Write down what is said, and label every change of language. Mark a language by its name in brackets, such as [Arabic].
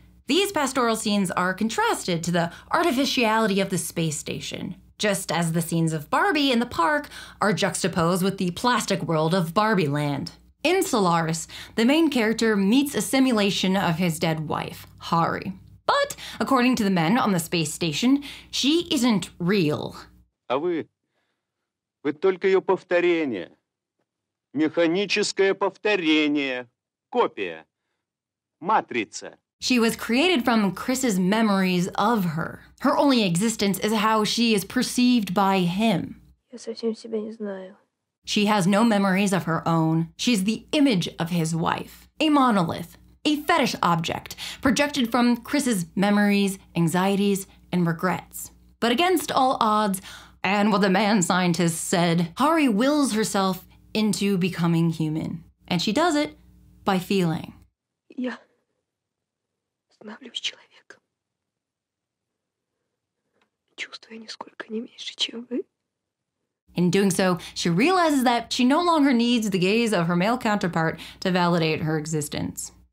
[English] These pastoral scenes are contrasted to the artificiality of the space station, just as the scenes of Barbie in the park are juxtaposed with the plastic world of Barbie Land. In Solaris, the main character meets a simulation of his dead wife, Hari. But, according to the men on the space station, she isn't real. [Russian] Вы только ее повторение, механическое повторение, копия, матрица. [English] She was created from Chris's memories of her. Her only existence is how she is perceived by him. [Russian] Я совсем себя не знаю. [English] She has no memories of her own. She's the image of his wife, a monolith, a fetish object projected from Chris's memories, anxieties, and regrets. But against all odds, and what the man scientist said, Hari wills herself into becoming human. And she does it by feeling. [Russian] Я становлюсь человеком. Чувствую нисколько не меньше, чем вы. [English] In doing so, she realizes that she no longer needs the gaze of her male counterpart to validate her existence.